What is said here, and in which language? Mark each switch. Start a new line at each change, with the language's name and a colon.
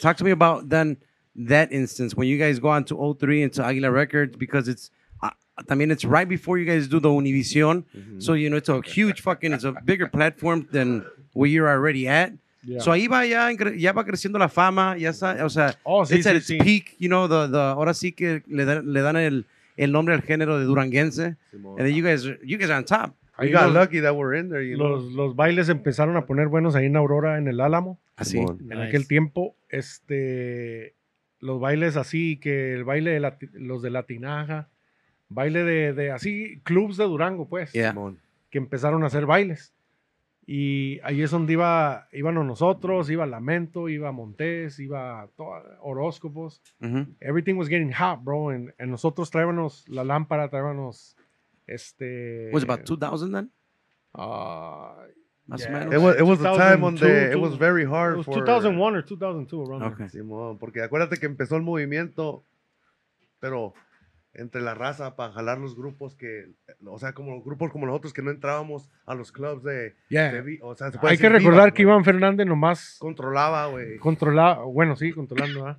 English: Talk to me about then that instance when you guys go on to 03 and to Aguilar Records because it's, it's right before you guys do the Univision. Mm-hmm. So, you know, it's a huge fucking, it's a bigger platform than where you're already at.
Spanish: So ahí va ya, ya va creciendo la fama, ya está, o sea,
English: it's at its peak, you know, the
Spanish: ahora sí que le dan el nombre al género de duranguense. Simón.
English: And then you guys are on top. We got lucky that we're in there, you
Spanish: los,
English: know.
Spanish: Los bailes empezaron a poner buenos ahí en Aurora, en el Álamo. Así.
English: Nice.
Spanish: En aquel tiempo, los bailes así, que el baile de los de la tinaja, baile de así, clubs de Durango, pues.
English: Yeah.
Spanish: Que empezaron a hacer bailes. Y ahí es donde íbamos nosotros, iba Lamento, iba Montes, iba Horóscopos. Mm-hmm.
English: Everything was getting hot, bro. And
Spanish: nosotros traíbamos la lámpara, traíbamos...
English: was about 2000 then? It was the time when it was very hard. It was 2001 or 2002 around okay. there.
Spanish: Simón, porque acuérdate que empezó el movimiento, pero entre la raza para jalar los grupos que, o sea, como grupos como nosotros que no entrábamos a los clubs de.
English: Yeah.
Spanish: De o sea, se puede hay que recordar que Iván Fernández nomás. Controlaba, güey. Controlando, ¿ah?